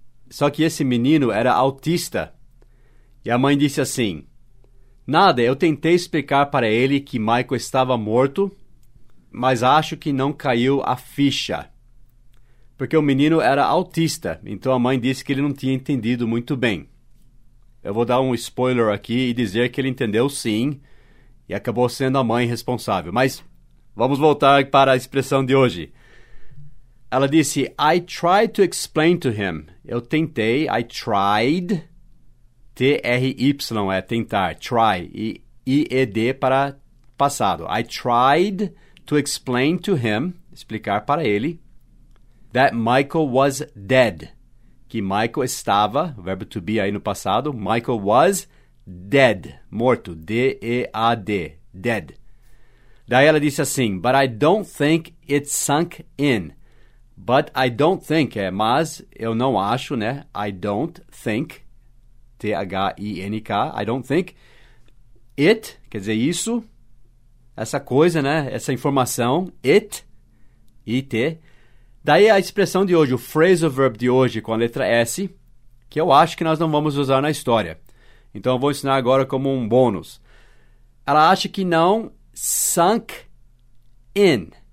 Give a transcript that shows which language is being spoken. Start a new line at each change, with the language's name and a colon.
Portuguese: Só que esse menino era autista. E a mãe disse assim: "Nada, eu tentei explicar para ele que Michael estava morto, mas acho que não caiu a ficha." Porque o menino era autista, então a mãe disse que ele não tinha entendido muito bem. Eu vou dar um spoiler aqui e dizer que ele entendeu sim, e acabou sendo a mãe responsável. Mas vamos voltar para a expressão de hoje. Ela disse,
English: "I tried to explain to him."
Portuguese: Eu tentei,
English: I tried,
Portuguese: T-R-Y é tentar, try, I-E-D para passado.
English: "I tried to explain to him,"
Portuguese: explicar para ele,
English: "that Michael was dead."
Portuguese: Que Michael estava, o verbo to be aí no passado,
English: Michael was dead,
Portuguese: morto, D-E-A-D, dead. Daí ela disse assim,
English: "but I don't think it sunk in." But I don't think,
Portuguese: é, mas eu não acho, né?
English: I don't think, T-H-I-N-K, I don't think.
Portuguese: It, quer dizer isso, essa coisa, né? Essa informação, it, I-T. Daí a expressão de hoje, o phrasal verb de hoje com a letra S, que eu acho que nós não vamos usar na história. Então eu vou ensinar agora como um bônus. Ela acha que não sunk in.